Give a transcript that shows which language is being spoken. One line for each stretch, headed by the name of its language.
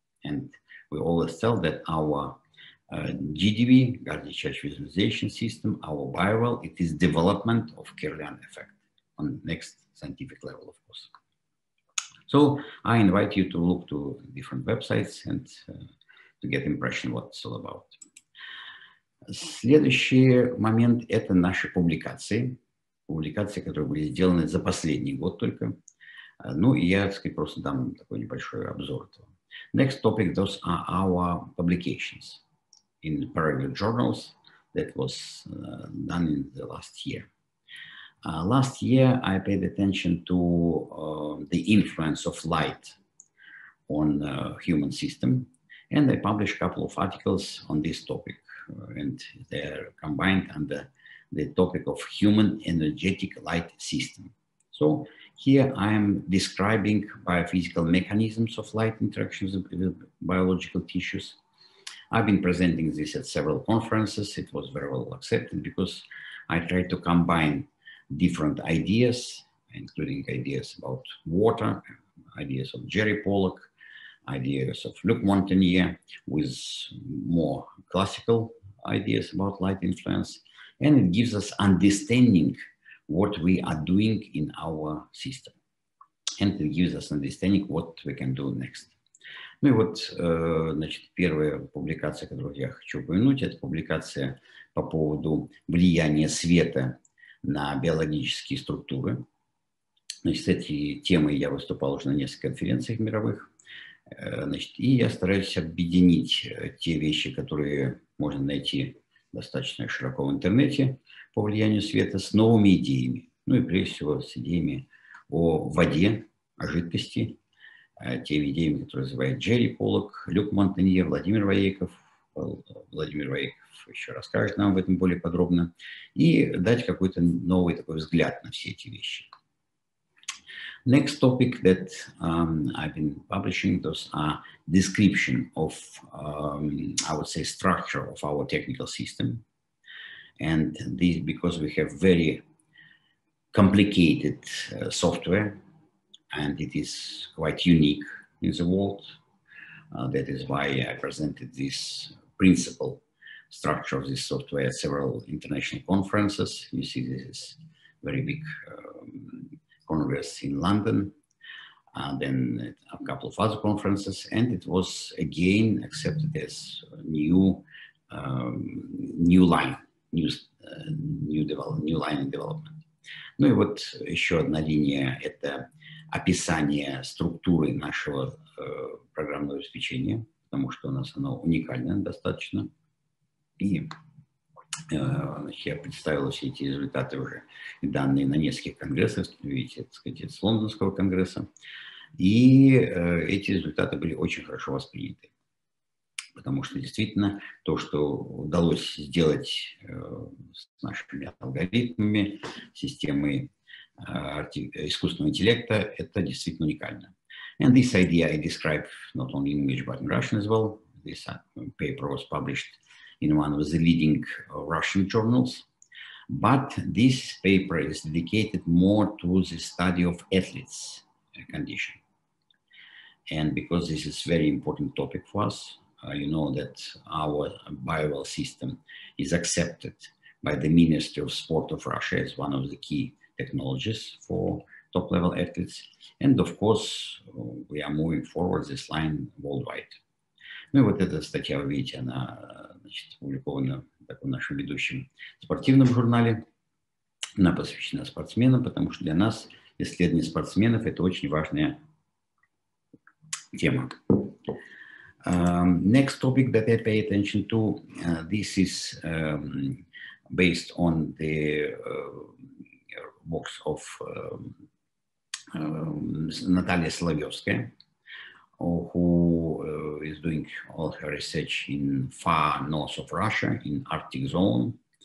English: And we always tell that our GDV, Garden Church Visualization System, our BioWell, it is development of Kirlian effect on next scientific level, of course. So I invite you to look to different websites and to get impression what it's all about.
Russian: Следующий момент – это наши публикации. Публикации, которые были сделаны за последний год только. Ну, и я, так сказать, просто дам такой небольшой обзор этого.
English: Next topic, those are our publications in parallel journals that was done in the last year. Last year, I paid attention to the influence of light on the human system, and I published a couple of articles on this topic, and they're combined under the topic of human energetic light system. So here I am describing biophysical mechanisms of light interactions with biological tissues. I've been presenting this at several conferences. It was very well accepted because I tried to combine different ideas, including ideas about water, ideas of Jerry Pollock, ideas of Luc Montagnier, with more classical ideas about light influence. And it gives us understanding what we are doing in our system. And it gives us understanding what we can do next.
Russian: Ну и вот, значит, первая публикация, которую я хочу упомянуть, это публикация по поводу влияния света на биологические структуры. Значит, с этой темой я выступал уже на нескольких конференциях мировых. Значит, и я стараюсь объединить те вещи, которые можно найти достаточно широко в интернете по влиянию света, с новыми идеями. Ну и прежде всего с идеями о воде, о жидкости, теми идеями, которые развивает Джерри Поллок, Люк Монтанье, Владимир Ваеков. Владимир Ваеков еще расскажет нам об этом более подробно. И дать какой-то новый такой взгляд на все эти вещи.
English: Next topic that I've been publishing, those are description of, I would say, structure of our technical system. And this, because we have very complicated software, and it is quite unique in the world. That is why I presented this principle structure of this software at several international conferences. You see, this is very big Congress in London, then a couple of other conferences, and it was again accepted as a new line, new line in development.
Russian: Ну и вот еще одна линия — это описание структуры нашего программного обеспечения, потому что у нас оно уникально достаточно. И я представил все эти результаты уже и данные на нескольких конгрессах, видите, так сказать, с Лондонского конгресса. И эти результаты были очень хорошо восприняты. Потому что действительно то, что удалось сделать с нашими алгоритмами, системой искусственного интеллекта, это действительно уникально.
English: And this idea I describe not only in English but in Russian as well. This paper was published in one of the leading Russian journals. But this paper is dedicated more to the study of athletes' condition. And because this is a very important topic for us, you know that our BioWell system is accepted by the Ministry of Sport of Russia as one of the key technologies for top-level athletes. And of course, we are moving forward this line worldwide.
Russian: Ну и вот эта статья, вы видите, она, значит, опубликована так, в нашем ведущем спортивном журнале. Она посвящена спортсменам, потому что для нас исследование спортсменов — это очень важная тема.
English: Next topic that I pay attention to, this is based on the works of Natalia Solovyovskaya, who is doing all her research in far north of Russia, in Arctic zone.